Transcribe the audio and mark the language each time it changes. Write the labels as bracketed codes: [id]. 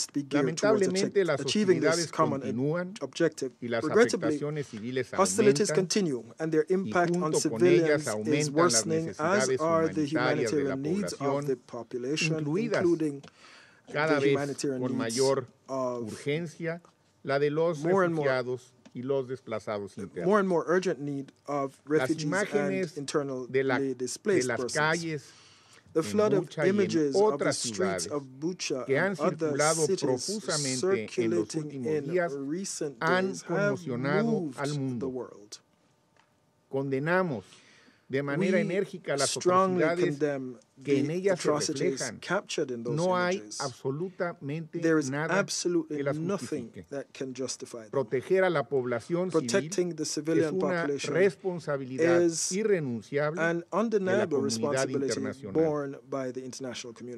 [es] Lamentablemente, las hostilidades continúan y las afectaciones civiles aumentan y junto con ellas aumentan las necesidades humanitarias de la población, incluidas cada vez con mayor urgencia la de los refugiados y los desplazados internos. Las imágenes de las calles [en] The flood of images of the streets of Bucha and other cities circulating in recent days have moved the world. [es] Condenamos de manera enérgica las atrocidades que en ellas se reflejan. No hay absolutamente nada que las justifique. Proteger a la población civil es una responsabilidad irrenunciable de la comunidad internacional.